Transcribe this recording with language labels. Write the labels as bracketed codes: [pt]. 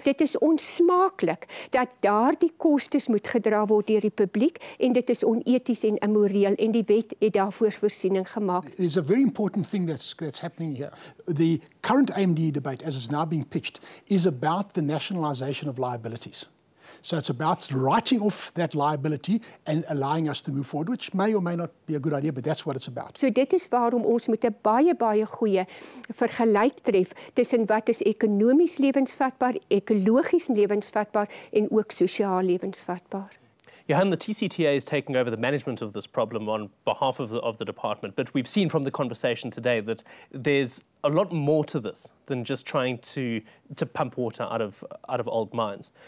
[af] Dit is onsmaaklik dat daardie kostes moet gedra word deur die publiek, en dit is oneties en immoreel, en die wet het daarvoor voorsiening gemaak. [en] There's a very important thing that's happening here. The current AMD debate, as it's now being pitched, is about the nationalisation of liabilities. So it's about writing off that liability and allowing us to move forward, which may or may not be a good idea, but that's what it's about. [af] So dit is waarom ons moet 'n baie baie goeie vergelyk tref tussen wat is ekonomies lewensvatbaar, ekologies lewensvatbaar en ook sosiaal lewensvatbaar. [en] Johan, the TCTA is taking over the management of this problem on behalf of the department, but we've seen from the conversation today that there's a lot more to this than just trying to pump water out of old mines.